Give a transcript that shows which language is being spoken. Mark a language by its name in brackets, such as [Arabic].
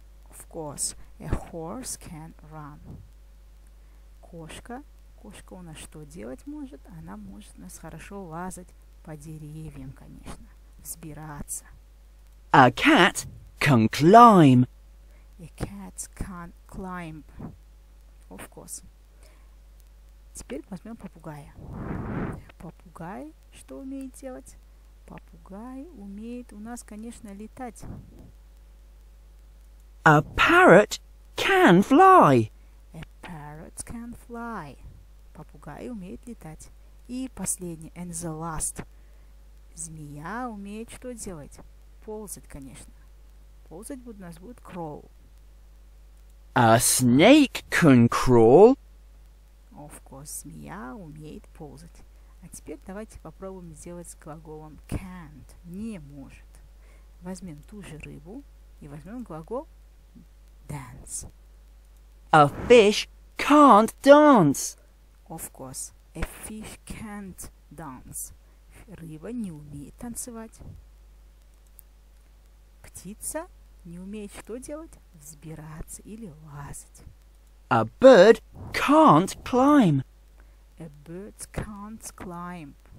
[English] Of course, a horse can run. [Russian] Кошка. Кошка у нас что делать может? Она может у нас хорошо лазать по деревьям, конечно. Взбираться. [English] A cat can climb. A cat can climb. Of course. [Russian] Теперь возьмем попугая. Попугай что умеет делать? Попугай умеет у нас, конечно, летать. [English] A parrot can fly. A parrot can fly. [Russian] Попугай умеет летать. И последний, [English] and the last. [Russian] Змея умеет что делать? Ползать, конечно. Ползать у нас будет crawl. [English] A snake can crawl. Of course, [Russian] змея умеет ползать. А теперь давайте попробуем сделать с глаголом can't, не может. Возьмем ту же рыбу и возьмем глагол dance. [English] A fish can't dance. Of course, a fish can't dance. [Russian] Рыба не умеет танцевать. Птица не умеет что делать? Взбираться или лазать. [English] A bird can't climb. A bird can't climb.